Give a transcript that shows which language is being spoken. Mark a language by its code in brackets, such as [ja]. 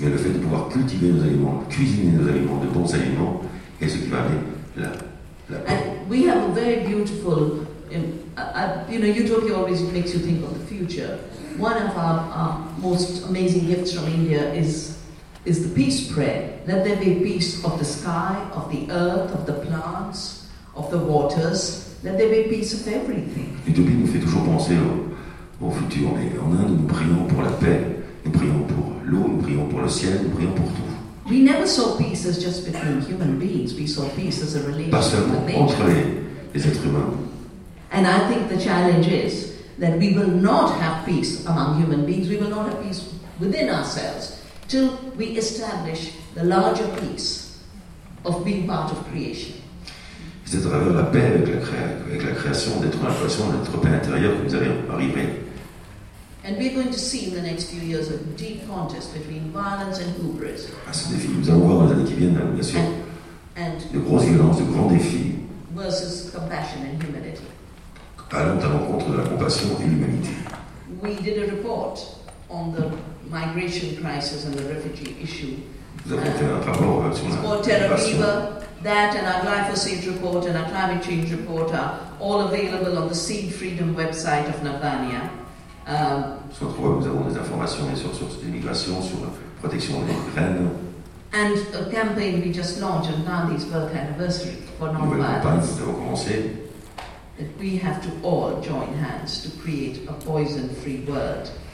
[fr] Et le fait de pouvoir cultiver nos aliments, cuisiner nos aliments, de bons aliments, est ce qui va aller la paix. [en] And we have a very beautiful, you know, utopia always makes you think of the future. One of our most amazing gifts from India is the peace prayer. Let there be peace of the sky, of the earth, of the plants, of the waters. Let there be peace of everything. [fr] L'utopie nous fait toujours penser au futur. Mais en Inde, nous prions pour la paix, nous prions pour l'eau, nous prions pour le ciel, nous prions pour tout. [en] We never saw peace as just between human beings. We saw peace as a relationship. [fr] Pas seulement entre les êtres humains. [en] And I think the challenge is that we will not have peace among human beings. We will not have peace within ourselves till we establish the larger peace of being part of creation. [fr] C'est à travers la paix avec la création, d'être en relation, d'être paix intérieure que nous allons arriver. [en] And we're going to see in the next few years a deep contest between violence and hubris. [fr] Ah, ce défi, nous allons voir dans les années qui viennent, bien sûr. [en] And [fr] de grosses violences, de grands défis. [en] Versus compassion and humility. [fr] Allons à l'encontre de la compassion et l'humanité. [en] We did a report on the migration crisis and the refugee issue. [fr] Nous avons fait un rapport sur la migration. [en] That and our glyphosate report and our climate change report are all available on the Seed Freedom website of Navania. [fr] Nous avons des informations sur cette migration, sur la protection des graines. [en] And a campaign we just launched on Gandhi's birth anniversary for non-violence. That we have to all join hands to create a poison-free world.